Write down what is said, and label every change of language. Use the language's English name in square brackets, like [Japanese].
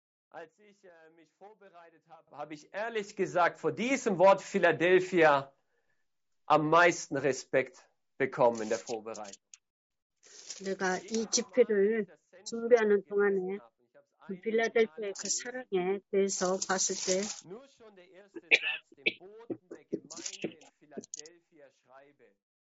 [German] Als ich mich vorbereitet habe, habe ich ehrlich gesagt vor diesem Wort Philadelphia am meisten Respekt bekommen in der Vorbereitung. [Korean] 내가 이 집회를 준비하는 동안에 그 필라델피아의 그 사랑에 대해서 봤을 때 [German] nur schon der erste Satz den Boten der Gemeinde in Philadelphia schreibe.